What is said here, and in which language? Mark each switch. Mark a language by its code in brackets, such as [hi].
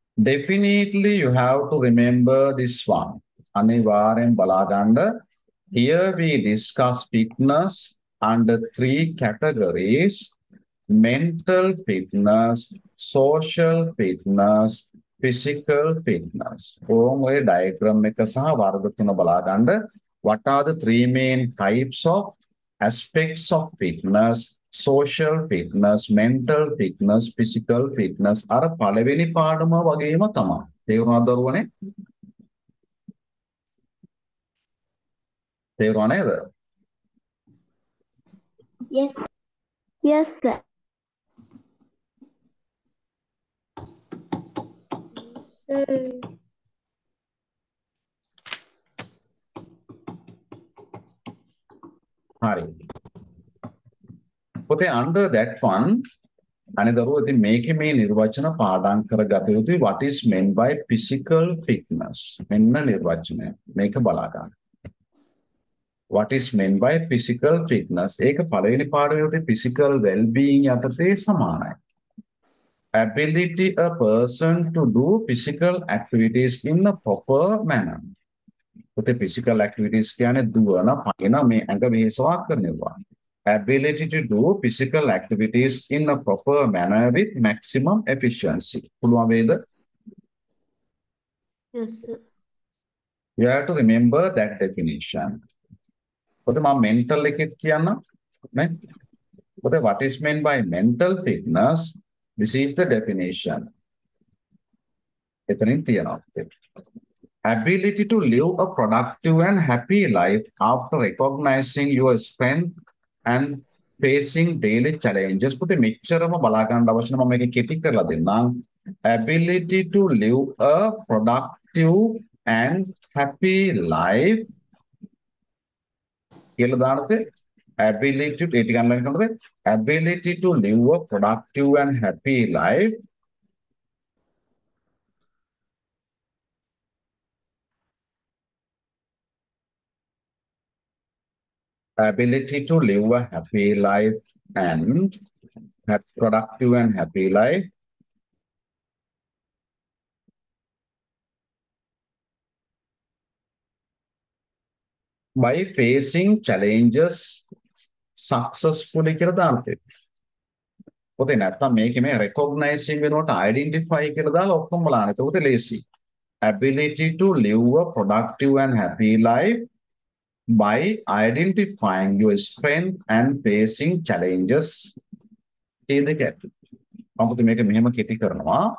[en] Definitely you have to remember this one. [si] අනිවාර්යෙන් බලාගන්න. [en] Here we discuss fitness under three categories: mental fitness, social fitness, physical fitness. [si] ඕම් ඔය diagram එක සහ වර්ග තුන බලාගන්න. [en] What are the three main types of aspects of fitness? Social fitness, mental fitness, physical fitness. [si] අර පළවෙනි පාඩම වගේම තමයි. තේරුණාද දරුවනේ? තේරුණා නේද? [en] Yes. Yes, sir. [si] හරි. පොතේ under that one අනිදරුව ඉතින් මේකේ මේ නිර්වචන පාඩම් කරගත යුතුයි. [en] What is meant by physical fitness? [si] මෙන්න නිර්වචනය. මේක බලා ගන්න. [en] What is meant by physical fitness? [si] ඒක පළවෙනි පාඩමේදී physical well-being යටතේ සමානයි. [en] Ability a person to do physical activities in a proper manner. [si] පොතේ physical activities කියන්නේ දුවන, පගෙන මේ ඇඟ මෙහෙසවා කරන එක. [en] Ability to do physical activities in a proper manner with maximum efficiency. [si] පුළුවන් වේද? [en] Yes, sir. You have to remember that definition. [si] පොතේ මම mental එකෙත් කියන්නම්. නේද? [en] පොතේ what is meant by mental fitness? This is the definition. [si] එතනින් තියනවා. [en] Ability to live a productive and happy life after recognizing your strength and facing daily challenges. [si] පුතේ මෙච්චරම බලා ගන්න අවශ්‍ය නම් මම මේක කෙටි කරලා දෙන්නම්. [en] Ability to live a productive and happy life [si] කියලා දානතේ [en] ability to [si] ඒක ගන්න ලඟට [en] ability to live a productive and happy life ability to live a happy life and have productive and happy life by facing challenges successfully [si] කියලා දාන්නේ. පොතේ නැත්තම් මේකේ මේ recognizing වෙනකොට identify කියලා දාලා ඔක්කොම බලන්න. එතකොට ලේසි. [en] Ability to live a productive and happy life by identifying your strength and facing challenges in the gap. [si] අපිට මේක මෙහෙම කෙටි කරනවා.